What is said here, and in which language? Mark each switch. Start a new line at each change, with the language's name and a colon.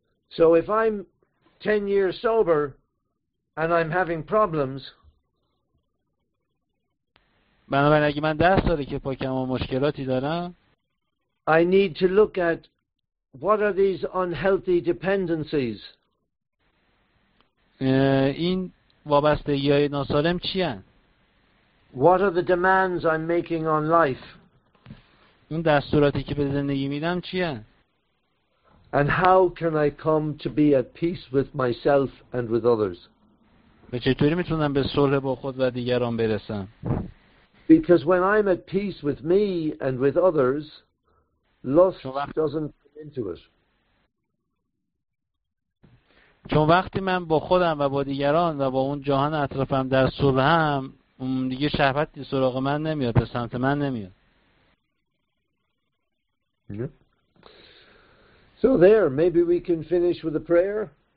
English: So if I'm 10 years sober and I'm having problems,
Persian: بنابراین اگه من 10 ساله که پاکم و مشکلاتی دارم،
English: I need to look at what are these unhealthy dependencies.
Persian: این وابستگی‌های ناسالم چی هستند؟
English: What are the demands I'm making on life.
Persian: اون دستوراتی که به زندگی میدم چیه؟
English: And how can I come to be at peace with myself and with others?
Persian: و چطوری میتونم به صلح با خود و دیگران برسم؟
English: Because when I'm at peace with me and with others, lust doesn't come into it.
Persian: چون وقتی من با خودم و با دیگران و با اون جهان اطرافم در صلحم، اون دیگه شهوتی سراغ من نمیاد، به سمت من نمیاد.
English: So there, maybe we can finish with a prayer.